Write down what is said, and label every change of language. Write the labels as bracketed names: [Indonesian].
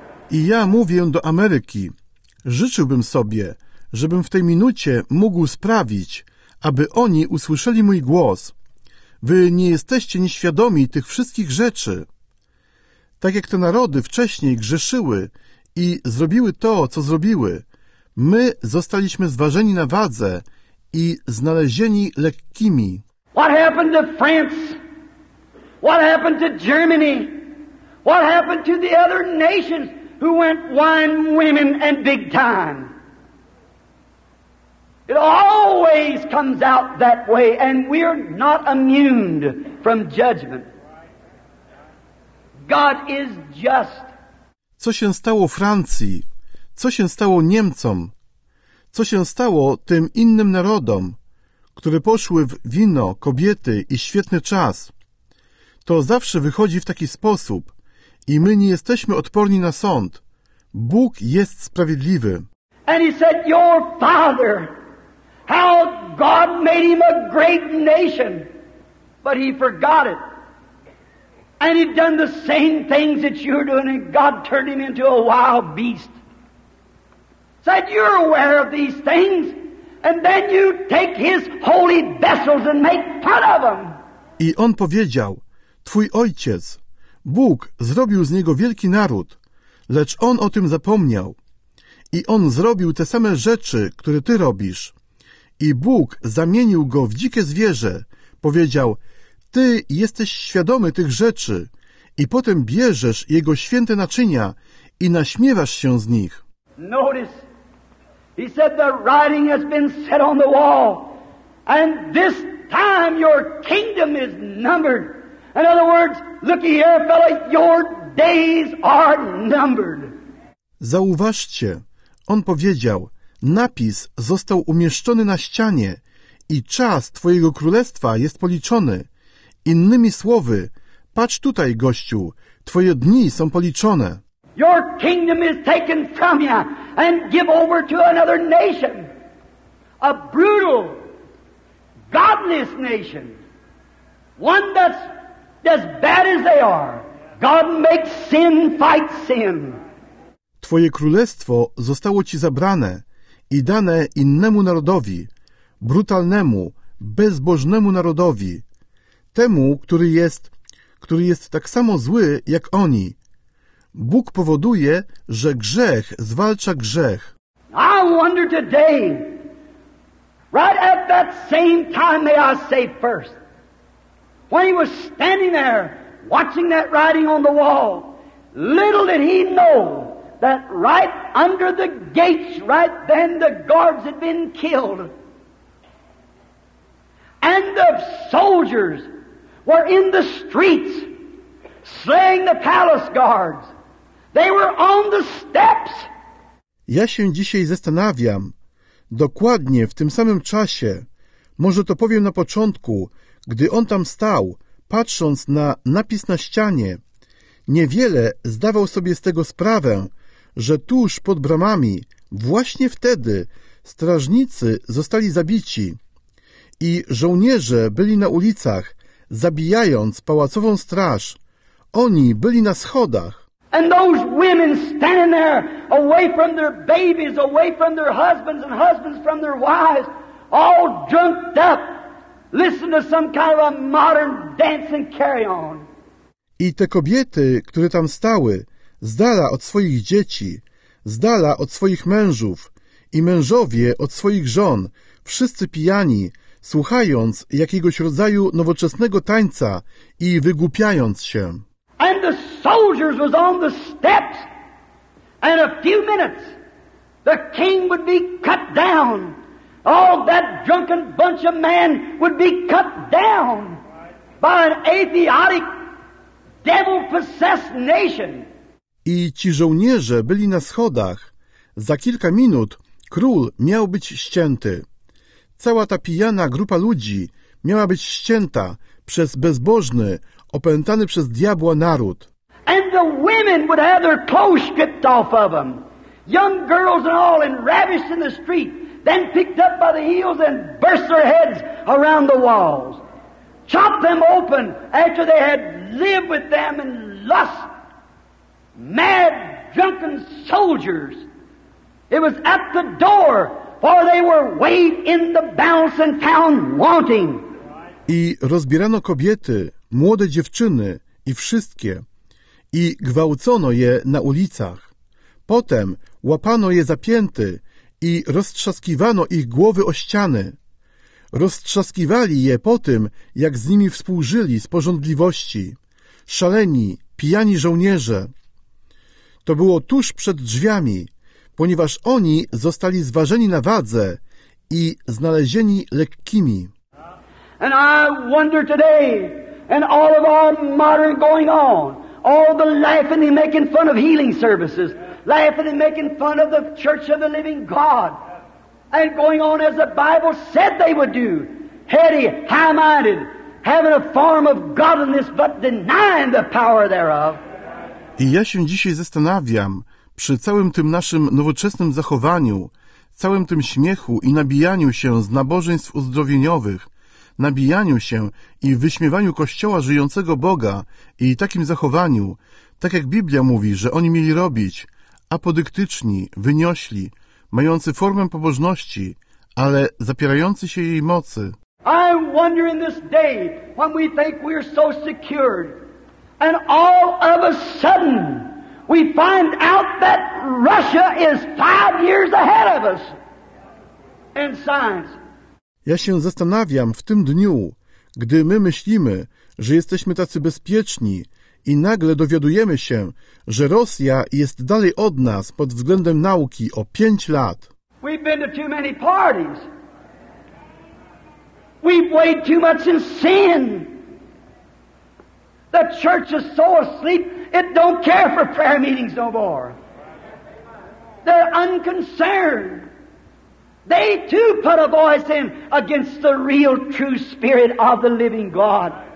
[Polish] I ja mówię do Ameryki. Życzyłbym sobie, żebym w tej minucie mógł sprawić, aby oni usłyszeli mój głos. Wy nie jesteście nieświadomi tych wszystkich rzeczy. Tak jak te narody wcześniej grzeszyły i zrobiły to, co zrobiły, my zostaliśmy zważeni na wadze i znalezieni lekkimi. [English] What happened to France? What happened to Germany? What happened to the other nations who went wine, women and big time? It always comes out that way and we're not immune from judgment. God is just. [Polish] Co się stało Francji? Co się stało Niemcom? Co się stało tym innym narodom, które poszły w wino, kobiety i świetny czas? To zawsze wychodzi w taki sposób i my nie jesteśmy odporni na sąd. Bóg jest sprawiedliwy. [English] And he said, your father, how God made him a great nation, but he forgot it. And he'd done the same things that you're doing, and God turned him into a wild beast. Said, you're aware of these things, and then you take his holy vessels and make fun of them. [Polish] I on powiedział, twój ojciec, Bóg zrobił z niego wielki naród, lecz on o tym zapomniał. I on zrobił te same rzeczy, które ty robisz. I Bóg zamienił go w dzikie zwierzę. Powiedział, ty jesteś świadomy tych rzeczy. I potem bierzesz jego święte naczynia i naśmiewasz się z nich. [English] Notice, he said the writing has been set on the wall. And this time your kingdom is numbered. In other words, look here, fella, your days are numbered. [Polish] Zauważcie, on powiedział, napis został umieszczony na ścianie i czas twojego królestwa jest policzony. Innymi słowy, patrz tutaj, gościu, twoje dni są policzone. [English] Your kingdom is taken from you and give over to another nation. A brutal, godless nation. One that's as bad as they are. God makes sin fight sin. [Polish] Twoje królestwo zostało ci zabrane i dane innemu narodowi, brutalnemu, bezbożnemu narodowi, temu, który jest tak samo zły jak oni. Bóg powoduje, że grzech zwalcza grzech. [English] I wonder today, right at that same time, may I say first, when he was standing there watching that writing on the wall, little did he know that right under the gates, right then, the guards had been killed. And the soldiers were in the streets slaying the palace guards. They were on the steps. [Polish] Ja się dzisiaj zastanawiam, dokładnie w tym samym czasie, może to powiem na początku, gdy on tam stał, patrząc na napis na ścianie, niewiele zdawał sobie z tego sprawę, że tuż pod bramami, właśnie wtedy, strażnicy zostali zabici i żołnierze byli na ulicach, zabijając pałacową straż. Oni byli na schodach. [English] And those women standing there, away from their babies, away from their husbands, and husbands from their wives, all drunked up, listen to some kind of a modern dance and carry on. [Polish] I te kobiety, które tam stały, z dala od swoich dzieci, z dala od swoich mężów i mężowie od swoich żon, wszyscy pijani, słuchając jakiegoś rodzaju nowoczesnego tańca i wygłupiając się. [English] And the soldiers was on the steps, and a few minutes the king would be cut down. All that drunken bunch of men would be cut down by an atheotic, devil-possessed nation. [Polish] I ci żołnierze byli na schodach. Za kilka minut król miał być ścięty. Cała ta pijana grupa ludzi miała być ścięta przez bezbożny, opętany przez diabła naród. [English] And the women would have their clothes stripped off of them. Young girls and all, and ravished in the street, then picked up by the heels and burst their heads around the walls. Chopped them open after they had lived with them in lust. Mad, drunken soldiers. It was at the door, for they were weighed in the balance and found wanting. [Polish] I rozbierano kobiety, młode dziewczyny i wszystkie, i gwałcono je na ulicach. Potem łapano je za pięty i roztrzaskiwano ich głowy o ściany. Roztrzaskiwali je po tym, jak z nimi współżyli z pożądliwości. Szaleni, pijani żołnierze. To było tuż przed drzwiami, ponieważ oni zostali zważeni na wadze i znalezieni lekkimi. [English] And I wonder today, and all of our modern going on, All the laughing and making fun of healing services. Laughing and making fun of the Church of the Living God. And going on as the Bible said they would do. Heady, high-minded, having a form of godliness, but denying the power thereof. [Polish] I ja się dzisiaj zastanawiam, przy całym tym naszym nowoczesnym zachowaniu, całym tym śmiechu i nabijaniu się z nabożeństw uzdrowieniowych, nabijaniu się i wyśmiewaniu Kościoła żyjącego Boga i takim zachowaniu, tak jak Biblia mówi, że oni mieli robić, apodyktyczni, wyniośli, mający formę pobożności, ale zapierający się jej mocy. [English] I'm wondering this day when we think we're so secured and all of a sudden we find out that Russia is 5 years ahead of us in science. [Polish] Ja się zastanawiam w tym dniu, gdy my myślimy, że jesteśmy tacy bezpieczni i nagle dowiadujemy się, że Rosja jest dalej od nas pod względem nauki o 5 lat. [English] We've been to too many parties. We've weighed too much in sin. The church is so asleep, it don't care for prayer meetings no more. They're unconcerned. They too put a voice in against the real true spirit of the living God.